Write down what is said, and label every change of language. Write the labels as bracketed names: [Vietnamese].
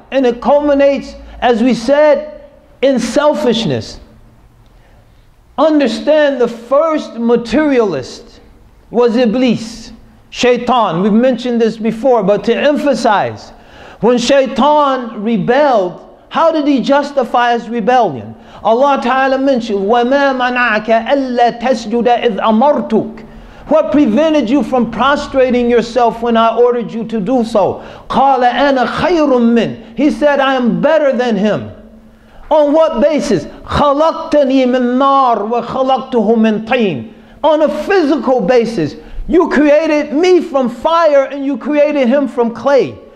[English] And it culminates, as we said, in selfishness. Understand, the first materialist was Iblis, Shaitan. We've mentioned this before, but to emphasize, when Shaitan rebelled, how did he justify his rebellion? Allah Ta'ala mentioned, [Arabic] وَمَا مَنَعَكَ أَلَّا تَسْجُدَ إِذْ أَمَرْتُكَ. [English] What prevented you from prostrating yourself when I ordered you to do so? [Arabic] قَالَ أَنَا خَيْرٌ مِّنْ. [English] He said, I am better than him. On what basis? [Arabic] خَلَقْتَنِي مِنْ نَارٍ وَخَلَقْتُهُ مِنْ طِينٍ. [English] On a physical basis, you created me from fire and you created him from clay.